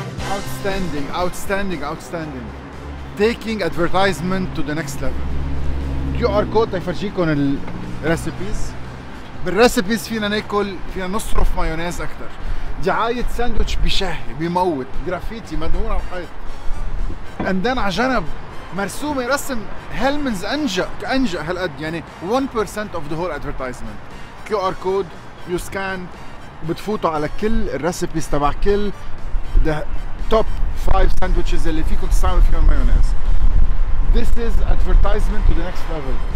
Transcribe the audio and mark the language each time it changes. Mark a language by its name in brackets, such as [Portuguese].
[English] Outstanding, outstanding, outstanding. Taking advertisement to the next level. [Arabic] كيو ار كود تفرجيكم الريسيبيز. بالريسيبيز فينا ناكل، فينا نصرف مايونيز اكثر. دعاية ساندويتش بشهي بيموت، جرافيتي مدهون على الحيط. عندنا على جنب مرسومة رسم هيلمنز انجا كانجا هالقد، يعني [English] 1% of the whole advertisement. [Arabic] كيو ار كود يو سكان بتفوتوا على كل الريسيبيز تبع كل ده توب 5 ساندويتشز اللي فيكم تستعملوا فيهم مايونيز. [English] This is advertisement to the next level.